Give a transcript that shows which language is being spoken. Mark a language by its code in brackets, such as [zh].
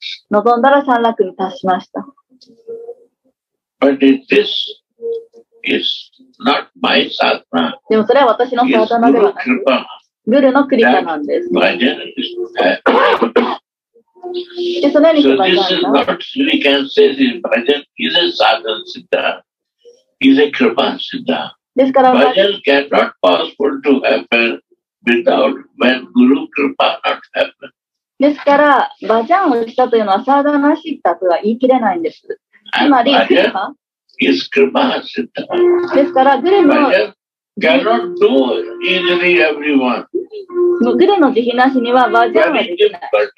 [ja] 望んだら三落に達しました。でもそれは私のサーダナではない。グルのクリパなんです。でそのように言うと、そうですね。 [en] We can say this bhajan is a sadhana siddha, is a kripa siddha. Bhajan cannot possible to happen without when guru kripa not happen. [ja] ですから、バジャンをしたというのはサーダナシッダとは言い切れないんです。つまり、 [en] is kripa siddha. [ja] ですから、グルの [en] cannot do easily everyone. [ja] グルの慈悲なしにはバージャンはできない。